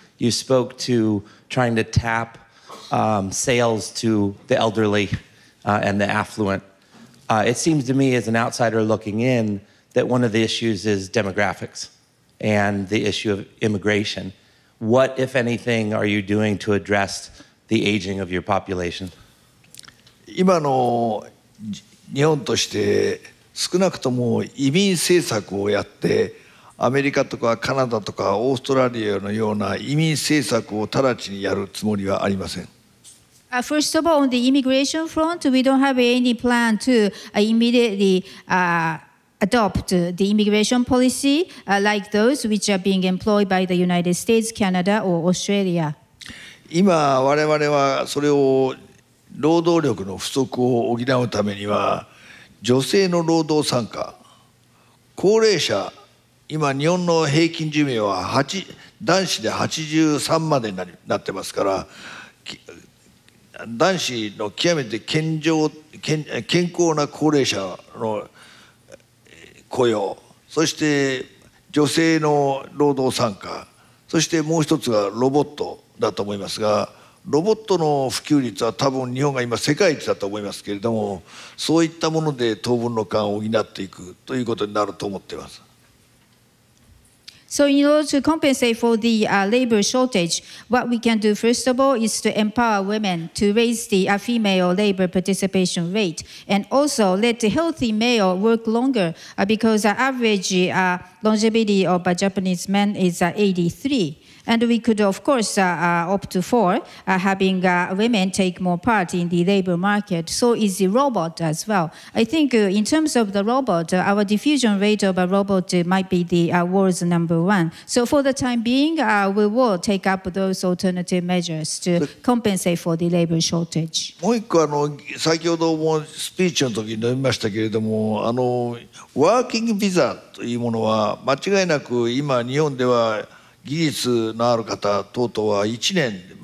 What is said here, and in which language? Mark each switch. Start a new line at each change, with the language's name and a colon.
English: You spoke to trying to tap sales to the elderly and the affluent. It seems to me, as an outsider looking in, that one of the issues is demographics and the issue of immigration. What, if anything, are you doing to address the aging of your population?
Japanese: 今の日本として少なくとも移民政策をやって、アメリカとかカナダとかオーストラリアのような移民政策を直ちにやるつもりはありません。
English: First of all, on the immigration front, we don't have any plan to immediately adopt the immigration policy like those which are being employed by the United States, Canada, or Australia.
Japanese: 今我々はそれを労働力の不足を補うためには、女性の労働参加、高齢者、今日本の平均寿命は男子で83までになってますから、男子の極めて健康な高齢者の雇用、そして女性の労働参加、そしてもう一つがロボットだと思いますが、ロボットの普及率は多分日本が今世界一だと思いますけれども、そういったもので当分の間を補っていくということになると思っています。
English: So in order to compensate for the labor shortage, what we can do first of all is to empower women to raise the female labor participation rate, and also let the healthy male work longer because the average longevity of a Japanese man is 83. And we could, of course, opt for having women take more part in the labor market. So is the robot as well. I think in terms of the robot, our diffusion rate of a robot might be the world's number one. So for the time being, we will take up those alternative measures to compensate for the labor shortage.
Japanese: もう一個、先ほどもスピーチの時に述べましたけれども、ワーキングビザというものは間違いなく今日本では技術のある方等々は1年